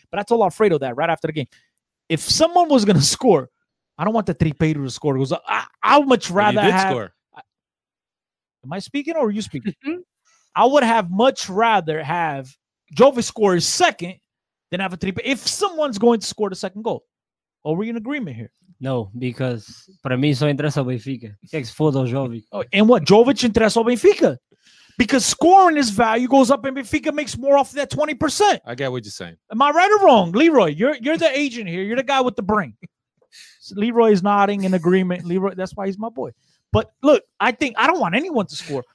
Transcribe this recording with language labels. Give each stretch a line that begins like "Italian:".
English: But I told Alfredo that right after the game. If someone was going to score, I don't want the Tripeiro to score. Because I would much rather am I speaking or are you speaking? I would have much rather have Jovic score his second than have a Tripeiro. If someone's going to score the second goal, are we in agreement here? No, because
Portuguese: para mim só interessa o Benfica. Que foda o Jovic.
English: And what? Jovic
Portuguese: interessa o
English: Benfica? Because scoring his value goes up and Benfica makes more off of that 20%. I get what you're saying. Am I right or wrong? Leroy, you're the agent here. You're the guy with the brain. So Leroy is nodding in agreement. Leroy, that's why he's my boy. But look, I think I don't want anyone to score.